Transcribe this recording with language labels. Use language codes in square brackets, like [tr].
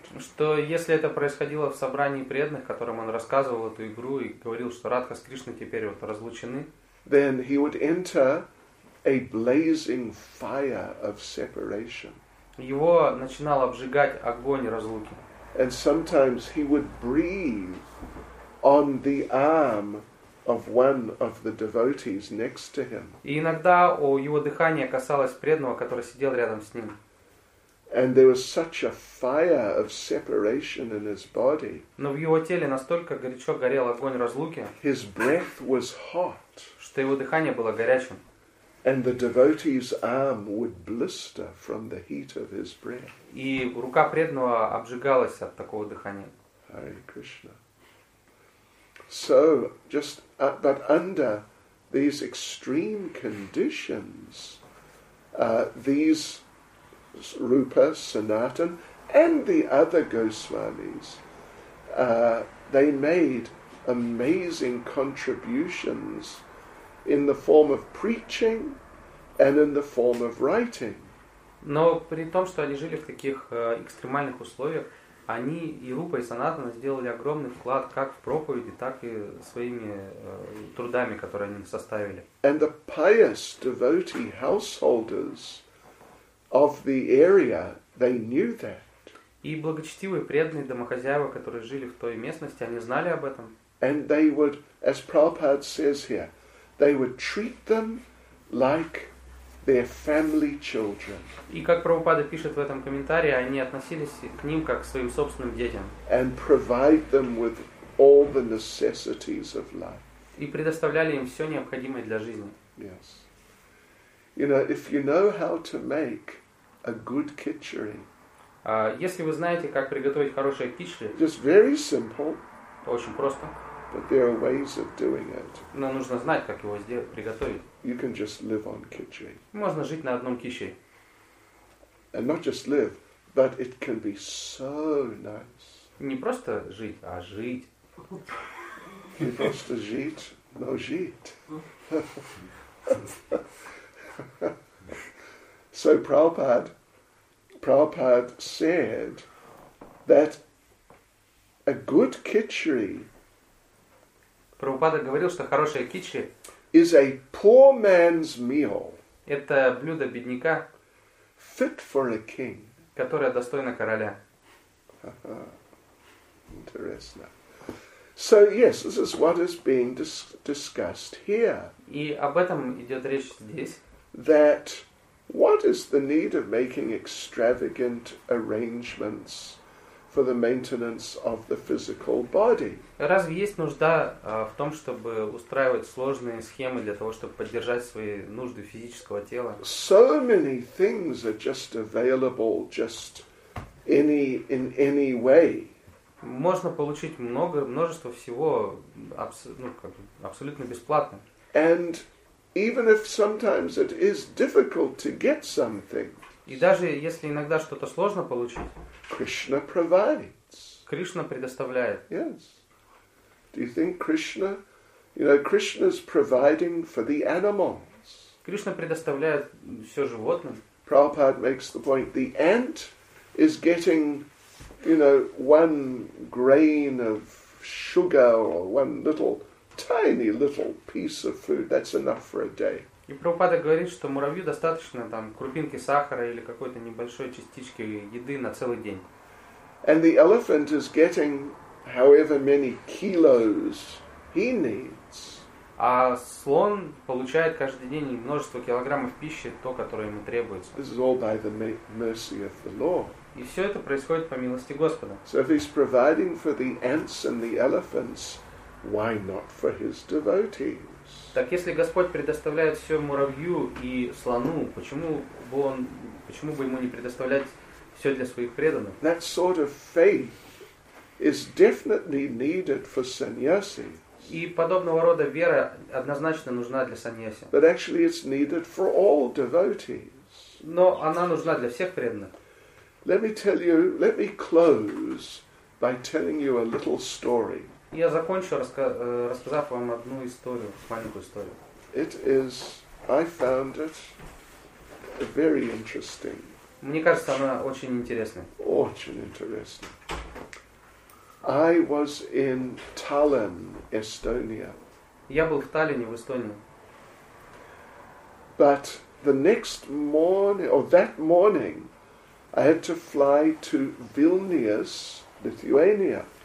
[ru] Что если это происходило в собрании преданных, которым он рассказывал эту игру и говорил, что Радха с Кришной теперь вот разлучены, [en] then he would enter a blazing fire of separation. [ru] Его начинал обжигать огонь разлуки. [en] And sometimes he would breathe on the arm of one of the devotees next to him. [ru] И иногда его дыхание касалось преданного, который сидел рядом с ним. [en] And there was such a fire of separation in his body. [ru] Но в его теле настолько горячо горел огонь разлуки. [en] His breath was hot. [ru] Что его дыхание было горячим. [en] And the devotee's arm would blister from the heat of his breath. [ru] И рука преданного обжигалась от такого дыхания. [en] Hare Krishna. So just but under these extreme conditions, these Rupa, Sanatan, and the other Goswamis, they made amazing contributions in the form of preaching and in the form of writing. [ru] Но при том, что они жили в таких экстремальных условиях, они и Рупа, и Санатана сделали огромный вклад как в проповеди, так и своими трудами, которые они составили. [en] And the pious devotee householders of the area, they knew that. [ru] И благочестивые преданные домохозяева, которые жили в той местности, они знали об этом. [en] And they would, as Prabhupada says here, they would treat them like their family children. [ru] И как Прабхупада пишет в этом комментарии, они относились к ним как к своим собственным детям. [en] And provide them with all the necessities of life. [ru] И предоставляли им все необходимое для жизни. [en] Yes. You know, if you know how to make a good khichdi. [ru] Если вы знаете, как приготовить хорошее кичли. [en] Just very simple. [ru] Очень просто. [en] But there are ways of doing it. [ru] Но нужно знать, как его сделать, приготовить. [en] You can just live on khichdi. [ru] Можно жить на одном кичли. [en] And not just live, but it can be so nice. [ru] Не просто жить, а жить. Не просто жить, но жить. [en] So Prabhupada said that a good khichdi. [ru] Прабхупада говорил, что хорошая кичи [en] is a poor man's meal. [ru] Это блюдо бедняка. [en] Fit for a king. [ru] Которое достойно короля. Интересно. [en] So yes, this is what is being discussed here. [ru] И об этом идет речь здесь. [en] That what is the need of making extravagant arrangements for the maintenance of the physical body? [ru] Разве есть нужда в том, чтобы устраивать сложные схемы для того, чтобы поддержать свои нужды физического тела? [en] So many things are just available, just any in any way. [ru] Можно получить много, множество всего абсолютно бесплатно. [en] And even if sometimes it is difficult to get something. [ru] И даже если иногда что-то сложно получить, [en] Krishna provides. [ru] Кришна предоставляет. [en] Yes. Do you think Krishna, you know, Krishna's providing for the animals? [ru] Кришна предоставляет все животным. [en] Prabhupada makes the point, the ant is getting, you know, one grain of sugar or one little tiny little piece of food, that's enough for a day. [ru] И Прабхупада говорит, что муравью достаточно там крупинки сахара или какой-то небольшой частички еды на целый день. [en] And the elephant is getting however many kilos he needs. [ru] А слон получает каждый день множество килограммов пищи, то, которое ему требуется. [en] This is all by the mercy of the Lord. [ru] И все это происходит по милости Господа. [en] So if he's providing for the ants and the elephants, why not for his devotees? [ru] Так если Господь предоставляет все муравью и слону, почему бы ему не предоставлять все для своих преданных? [en] That sort of faith is definitely needed for sannyasi. [ru] И подобного рода вера однозначно нужна для сannyasi. [en] But actually, it's needed for all devotees. [ru] Но она нужна для всех преданных. [en] Let me close by telling you a little story. [ru] Я закончу, рассказав вам одну историю, маленькую историю. [en] It is, I found it very interesting. [ru] Мне кажется, она очень интересная. Очень интересная. [en] I was in Tallinn, Estonia. [ru] Я был в Таллине, в Эстонии. [en] But the next morning, or that morning, I had to fly to Vilnius, Lithuania.